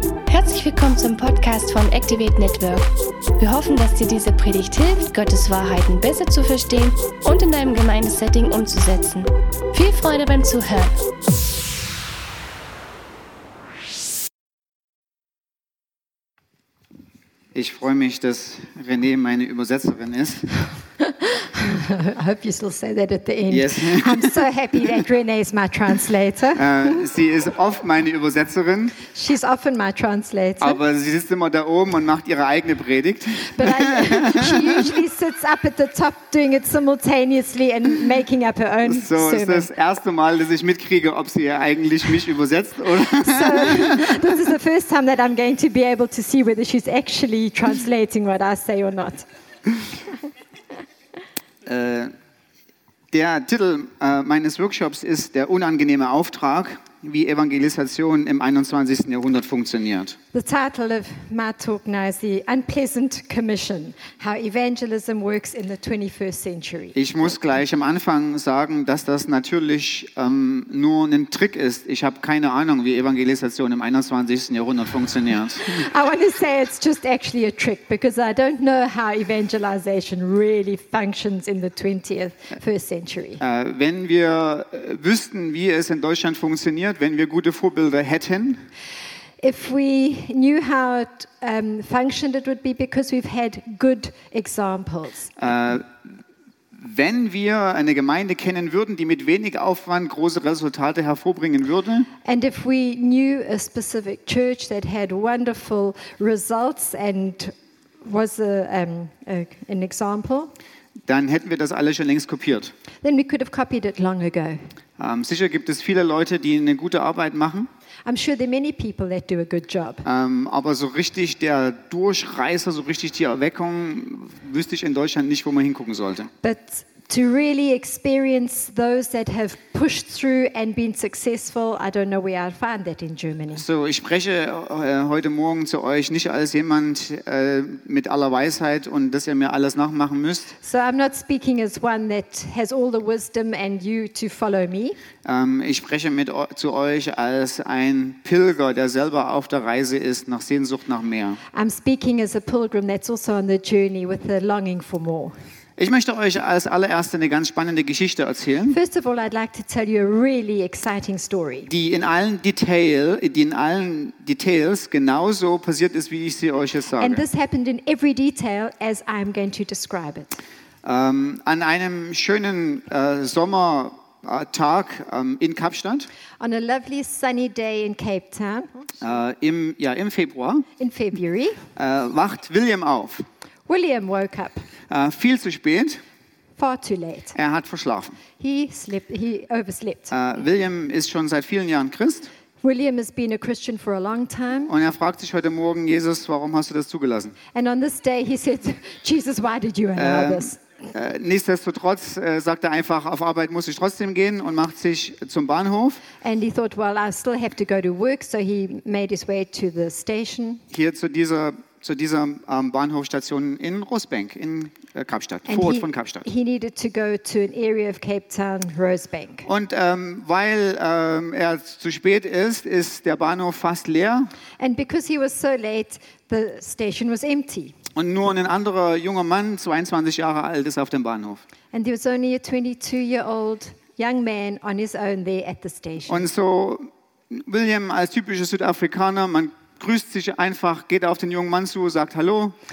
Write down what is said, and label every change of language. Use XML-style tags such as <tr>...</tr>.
<de>Herzlich willkommen zum Podcast von Activate Network. Wir hoffen, dass dir diese Predigt hilft, Gottes Wahrheiten besser zu verstehen und in deinem Gemeindesetting umzusetzen. Viel Freude beim Zuhören. Ich freue mich, dass René meine Übersetzerin ist.</de> <en>I hope you still say that at the end. Yes. I'm so happy that Renee is my translator.</en> <de>Sie ist oft meine Übersetzerin.</de> <en>She's often my translator.</en> <de>Aber sie sitzt immer da oben und macht ihre eigene Predigt.</de> <en>She usually sits up at the top doing it simultaneously and making up her own sermon.</en> <de>So ist das erste Mal, dass ich mitkriege, ob sie eigentlich mich übersetzt oder.</de> <en>So this is the first time that I'm going to be able to see whether she's actually translating what I say or not.</en> <de>Der Titel meines Workshops ist Der unangenehme Auftrag, wie Evangelisation im 21. Jahrhundert funktioniert.</de> <en>The title of my talk now is The Unpleasant Commission, How Evangelism Works in the 21st Century.</en> <de>Ich muss gleich am Anfang sagen, dass das natürlich nur ein Trick ist. Ich habe keine Ahnung, wie Evangelisation im 21. Jahrhundert funktioniert.</de> <en>I want to say it's just actually a trick, because I don't know how evangelization really functions in the 21st Century.</en> <de>Wenn wir wüssten, wie es in Deutschland funktioniert, wenn wir gute Vorbilder hätten,</de> <en>if we knew how it functioned, it would be because we've had good examples.</en> <de>Wenn wir eine Gemeinde kennen würden, die mit wenig Aufwand große Resultate hervorbringen würde,</de> <en>and if we knew a specific church that had wonderful results and was an example,</en> <de>dann hätten wir das alles schon längst kopiert.</de> <en>Then we could have copied it long ago.</en> <de>Sicher gibt es viele Leute, die eine gute Arbeit machen.</de> <en>I'm sure there are many people that do a good job.</en> <de>Aber so richtig der Durchreißer, so richtig die Erweckung, wüsste ich in Deutschland nicht, wo man hingucken sollte.</de> <en>But to really experience those that have pushed through and been successful, I don't know where I'd find that in Germany.</en> <de>So, ich spreche heute Morgen zu euch nicht als jemand mit aller Weisheit und dass ihr mir alles nachmachen müsst.</de> <en>So, I'm not speaking as one that has all the wisdom and you to follow me.</en> <de>Ich spreche zu euch als ein Pilger, der selber auf der Reise ist, nach Sehnsucht nach mehr.</de> <en>I'm speaking as a pilgrim that's also on the journey with the longing for more.</en> <de>Ich möchte euch als allererste eine ganz spannende Geschichte erzählen.</de> <en>First of all, I'd like to tell you a really exciting story.</en> <de>Die in allen Details genauso passiert ist, wie ich sie euch jetzt sage.</de> <en>And this happened in every detail as I'm going to describe it.</en> <de>An einem schönen Sommertag in Kapstadt.</de> <en>On a lovely sunny day in Cape Town.</en> <de>Im Februar.</de> <en>In February.</en> <de>Wacht William auf.</de> <en>William woke up.</en> <de>Viel zu spät.</de> <en>Far too late.</en> <de>Er hat verschlafen.</de> <en>He overslept.</en> <de>William ist schon seit vielen Jahren Christ.</de> <en>William has been a Christian for a long time.</en> <de>Und er fragt sich heute Morgen, Jesus, warum hast du das zugelassen?</de> <en>And on this day he said, Jesus, why did you allow this?</en> <de>Nichtsdestotrotz sagt er einfach, auf Arbeit muss ich trotzdem gehen und macht sich zum Bahnhof.</de> <en>And he thought, well, I still have to go to work, so he made his way to the station.</en> <de>Hier zu dieser Bahnhofstation in Rosebank, in Kapstadt, Vorort von Kapstadt.</de> <en>He needed to go to an area of Cape Town, Rosebank.</en> <de>Und weil er zu spät ist, ist der Bahnhof fast leer.</de> <en>And because he was so late, the station was empty.</en> <de>Und nur ein anderer junger Mann, 22 Jahre alt, ist auf dem Bahnhof.</de> <en>And there was only a 22-year-old young man on his own there at the station.</en> <de>Und so William als typischer Südafrikaner, man grüßt sich einfach, geht auf den jungen Mann zu, sagt Hallo.</de>